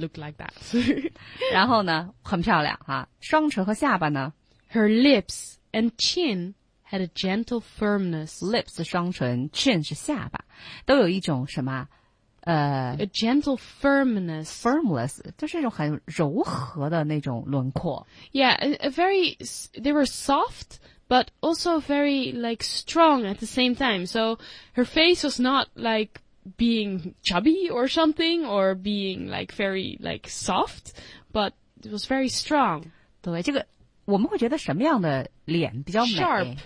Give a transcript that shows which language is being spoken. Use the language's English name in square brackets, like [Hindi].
[English] Dutch women look like that. [Chinese] 然后呢,很漂亮,双唇和下巴呢? [English] Her lips and chin had a gentle firmness. [Chinese] Lips,双唇,chin是下巴,都有一种什么? [English] A gentle firmness. [Chinese] Firmless,就是一种很柔和的那种轮廓。Yeah, [English] they were soft... But also very, like, strong at the same time. So her face was not, like, being chubby or something, or being, like, very, like, soft. But it was very strong. [Chinese] 对,这个我们会觉得什么样的脸比较美?